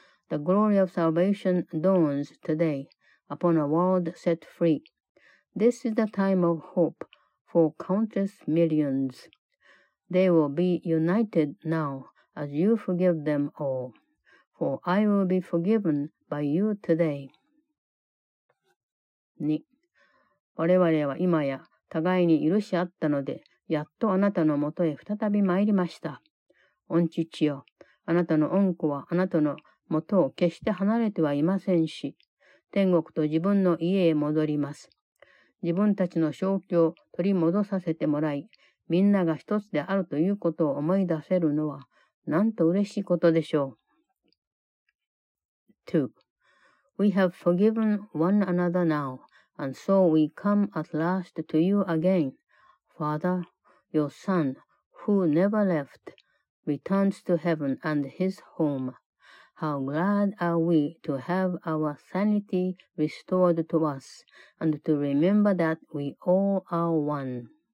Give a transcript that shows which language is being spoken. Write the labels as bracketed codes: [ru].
[en] The glory of salvation dawns today upon a world set free. This is the time of hope for countless millions. They will be united now as you forgive them all. For I will be forgiven by you today. [ja] 2. 我々は今や互いに許し合ったので、やっとあなたのもとへ再び参りました。御父よ、あなたの御子はあなたのもとを決して離れてはいませんし、天国と自分の家へ戻ります。自分たちの勝機を取り戻させてもらい、みんなが一つであるということを思い出せるのは、なんと嬉しいことでしょう。 2. [en] We have forgiven one another now, and so we come at last to you again. Father, your son, who never left, returns to heaven and his home. How glad are we to have our sanity restored to us and to remember that we all are one.